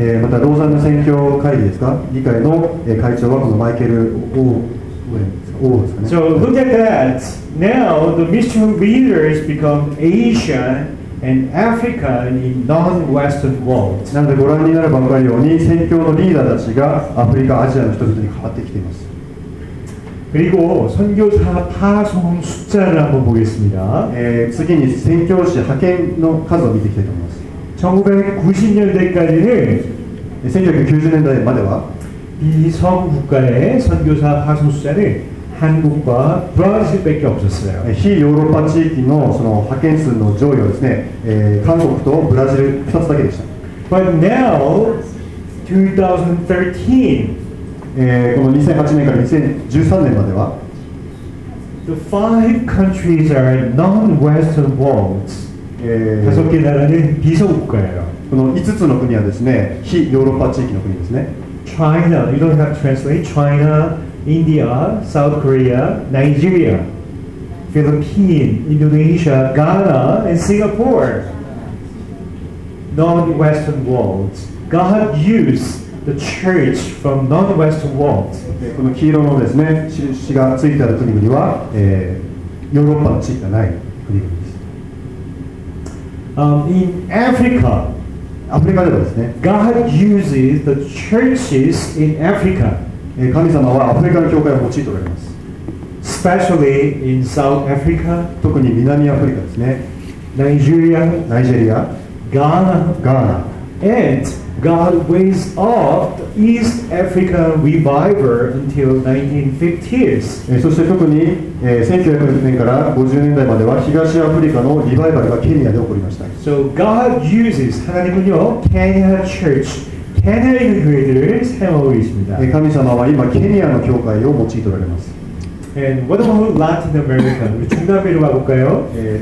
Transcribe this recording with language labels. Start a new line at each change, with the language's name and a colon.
Japanese: またローザンヌ宣教会議ですか？議会の会長はこのマイケル O ですかね。
English: So look at that. Now the mission leaders become Asian. And Africa in non-Western world.
Japanese: なのでご覧になればわかるように宣教のリーダーたちがアフリカ、アジアの人々に変わってきています。
Korean: 그리고선교사파송숫자를한번보겠습니다。
Japanese: 次に宣教師派遣の数を見ていきたいと思います。
Korean: 1990年代까지는
Japanese: 1990年代までは
Korean: 비성국가의선교사파송숫자를한국과브라질밖에없었어요
Japanese: 非ヨーロッパ地域 の, その派遣数の上位はですね、韓国とブラジル2つだけでした
English: But now, 2013、
Japanese: この2008年から2013年までは
English: The five countries are non-Western worlds
Korean: 5개나라는비서국가예요
Japanese: この5つの国はですね、非ヨーロッパ地域の国ですね
English: China, you don't have to translate China,India, South Korea, Nigeria, Philippines, Indonesia, Ghana, and Singapore. Non-Western worlds. God used the church from non-Western worlds.
Japanese: この黄色のですね、印がついてある国々は、ヨーロッパの地域がない国々です。
English: In Africa,
Japanese: アフリカではですね、
English: God uses the churches in Africa.
Japanese: 神様はアフリカの教会を用いておられます
English: Especially in South Africa
Japanese: 特に南アフリカですね
English: Nigeria
Japanese: ナイジェリア
English: Ghana
Japanese: Ghana
English: And God raised up the East Africa Reviver until 1950s.
Japanese: そして特に1950年から50年代までは東アフリカのリバイバルがケニアで起こりました。
English: So God uses
Korean: 하나님은요
English: Kenya Church, Kenya Leaders
Korean: 사용하고있습니다。
Japanese: 神様は今ケニアの教会を用いておられます。
English: And what about Latin America?
Korean: 中南米로가볼까요？